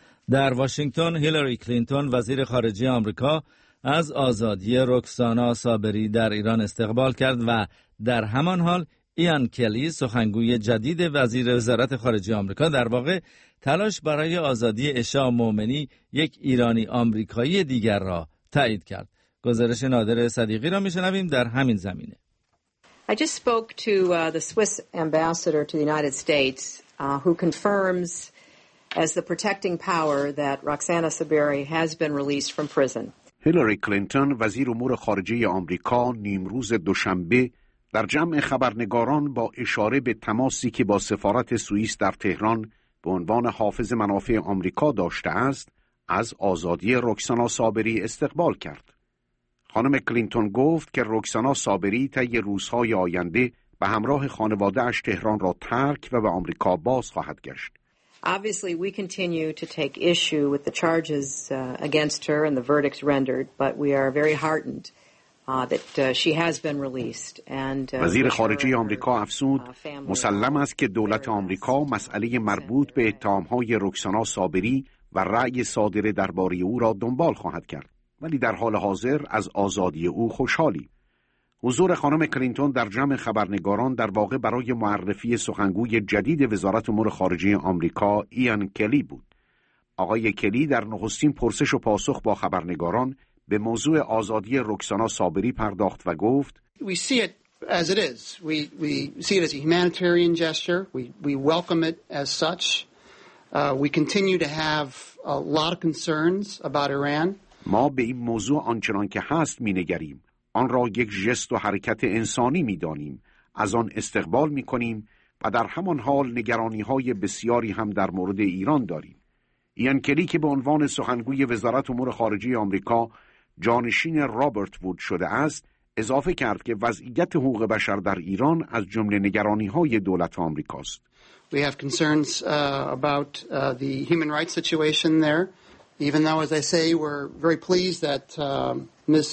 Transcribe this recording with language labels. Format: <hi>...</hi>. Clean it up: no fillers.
<fa>در واشنگتن هیلاری کلینتون وزیر خارجه آمریکا از آزادی رکسانا صابری در ایران استقبال کرد و در همان حال ایان کلی سخنگوی جدید وزیر وزارت خارجه آمریکا در واقع تلاش برای آزادی عشا مومنی یک ایرانی آمریکایی دیگر را تایید کرد. گزارش نادر صدیقی را می‌شنویم در همین زمینه.</fa> <en>I just spoke to the Swiss ambassador to the United States who confirms as the protecting power that Roxana Saberi has been released from prison.</en> <fa>هیلاری کلینتون وزیر امور خارجه آمریکا نیمروز دوشنبه در جمع خبرنگاران با اشاره به تماسی که با سفارت سوئیس در تهران به عنوان حافظ منافع آمریکا داشته است از آزادی رکسانا صابری استقبال کرد. خانم کلینتون گفت که رکسانا صابری طی روزهای آینده به همراه خانواده اش تهران را ترک و به آمریکا باز خواهد گشت.</fa> <en>Obviously we continue to take issue with the charges against her and the verdicts rendered, but we are very heartened that she has been released. And</en> <fa>وزیر خارجه آمریکا افزود مسلم است که دولت آمریکا مسئله مربوط به اتهام‌های رکسانا صابری و رأی صادره درباره او را دنبال خواهد کرد، ولی در حال حاضر از آزادی او خوشحالی. حضور خانم کلینتون در جمع خبرنگاران در واقع برای معرفی سخنگوی جدید وزارت امور خارجه آمریکا ایان کلی بود. آقای کلی در نخستین پرسش و پاسخ با خبرنگاران به موضوع آزادی رکسانا صابری پرداخت و گفت:</fa> <en>We see it as it is. We see it as a humanitarian gesture. We welcome it as such. We continue to have a lot of concerns about Iran.</en> <fa>ما به این موضوع آنچنان که هست می‌نگریم. آن را یک ژست و حرکت انسانی می دانیم، از آن استقبال می کنیم و در همان حال نگرانی های بسیاری هم در مورد ایران داریم. ایان کلی که به عنوان سخنگوی وزارت امور خارجه آمریکا جانشین رابرت وود شده است، اضافه کرد که وضعیت حقوق بشر در ایران از جمله نگرانی های دولت آمریکاست.</fa> <en>We have concerns about the human rights situation there. Even though, as I say, we're very pleased that Ms.</en>